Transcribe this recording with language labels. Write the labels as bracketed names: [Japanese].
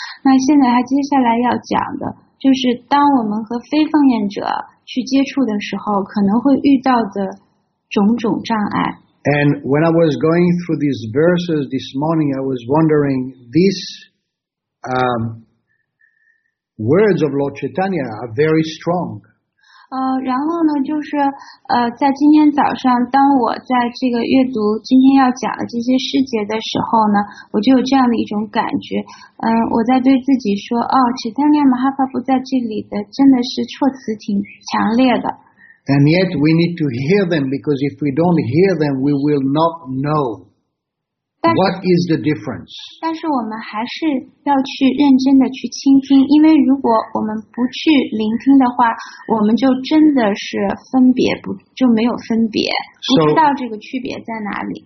[Chinese] 那现在他接下来要讲的就是当我们和非奉献者去接触的时候可能会遇到的种种障碍。 [English] And when I was going through these verses this morning, I was wondering, these words of Lord Chaitanya are very strong. [Chinese] 然后呢就是在今天早上当我在这个阅读今天要讲的这些诗节的时候呢我就有这样的一种感觉我在对自己说哦 Chaitanya Mahaprabhu 在这里的真的是措辞挺强烈的。 [English] And yet we need to hear them because if we don't hear them, we will not know what is the difference. [Chinese] 但是我们还是要去认真的去倾听，因为如果我们不去聆听的话，我们就真的是分别不就没有分别，不知道这个区别在哪里。